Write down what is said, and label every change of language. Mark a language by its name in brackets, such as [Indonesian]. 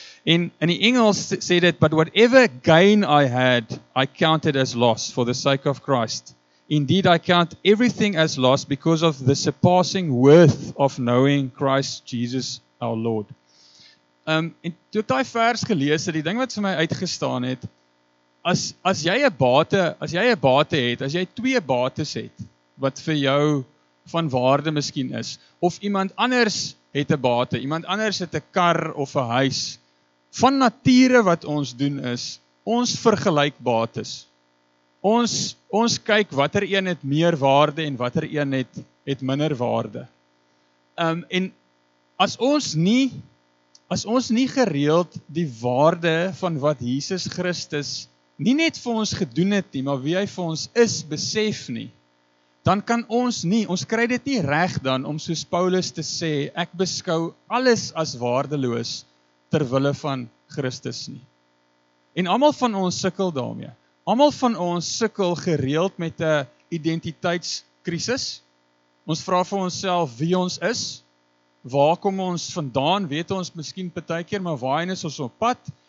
[Afrikaans] En in die Engels sê dit, [English] but whatever gain I had, I counted as loss for the sake of Christ. Indeed, I count everything as loss because of the surpassing worth of knowing Christ Jesus our Lord. [Afrikaans] En toe ek daai vers gelees het, die ding wat vir my uitgestaan het, as jy 'n bate het, as jy twee bates het, wat vir jou van waarde miskien is, of iemand anders het 'n bate, iemand anders het 'n kar of 'n huis, van nature wat ons doen is, ons vergelyk bates. Ons kyk watter een het meer waarde en watter een het minder waarde. En as ons nie gereeld die waarde van wat Jesus Christus nie net vir ons gedoen het nie, maar wie hy vir ons is, besef nie, dan kan ons kry dit nie reg dan om soos Paulus te sê, ek beskou alles as waardeloos ter wille van Christus nie. En almal van ons sukkel daarmee. Almal van ons sukkel gereeld met 'n identiteitskrisis. Ons vra vir onsself wie ons is. Waar kom ons vandaan? Weet ons miskien partykeer, maar waarheen is ons op pad?